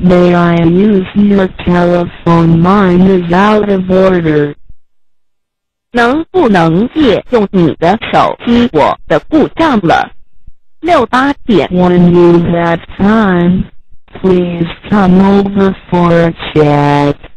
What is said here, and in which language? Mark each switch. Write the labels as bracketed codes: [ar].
[en] May I use your telephone? Mine is out of order. [zh] 能不能借用你的手机？我的故障了。68点 [en] When you have time, please come over for a chat.